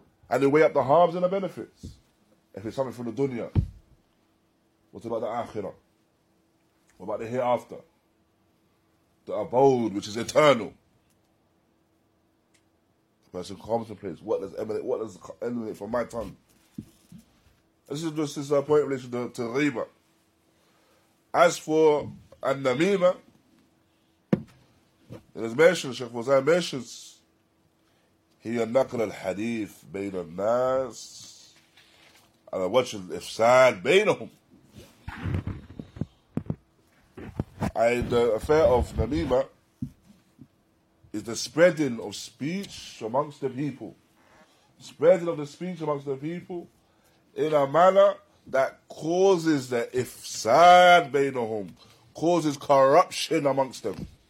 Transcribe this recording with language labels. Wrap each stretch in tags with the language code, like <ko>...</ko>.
<en>And they weigh up the harms and the benefits. If it's something from the dunya, what about the akhirah? What about the hereafter? The abode, which is eternal. The person contemplates, what does emanate from my tongue? This is just a point in relation to ghibah. As for An-Namima, it is mentioned, Sheikh Fawzan mentions,</en> <ar>هي النقل الحديث بين الناس على وجه الإفساد بينهم.</ar> <en>And the affair of Namima is the spreading of speech amongst the people. Spreading of the speech amongst the people in a manner that causes the ifsad bainahum, causes corruption amongst them.</en>